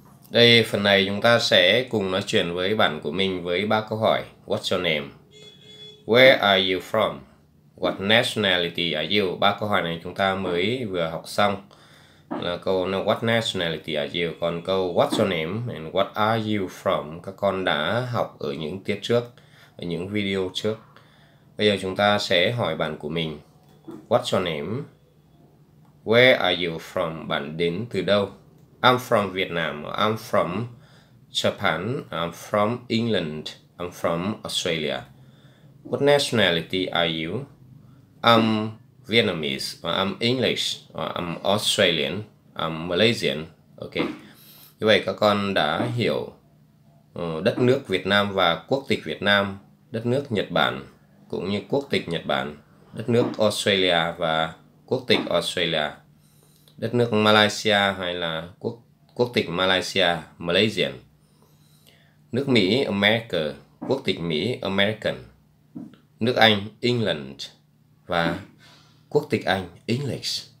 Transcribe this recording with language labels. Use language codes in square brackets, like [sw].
[vi] Đây, phần này chúng ta sẽ cùng nói chuyện với bạn của mình với 3 câu hỏi. [en] What's your name? Where are you from? What nationality are you? [vi] 3 câu hỏi này chúng ta mới vừa học xong. Là câu [en] what nationality are you? [vi] Còn câu [en] what's your name and what are you from? [vi] Các con đã học ở những tiết trước, ở những video trước. Bây giờ chúng ta sẽ hỏi bạn của mình. [en] What's your name? Where are you from? [vi] Bạn đến từ đâu? [en] I'm from Vietnam. I'm from Japan. I'm from England. I'm from Australia. What nationality are you? I'm Vietnamese, or I'm English, or I'm Australian, I'm Malaysian. Ok. [vi] Như vậy các con đã hiểu đất nước Việt Nam và quốc tịch Việt Nam, đất nước Nhật Bản cũng như quốc tịch Nhật Bản, đất nước Australia và quốc tịch Australia, đất nước Malaysia hay là quốc tịch Malaysia, Malaysian, nước Mỹ, America, quốc tịch Mỹ, American, nước Anh, England, và quốc tịch Anh, English.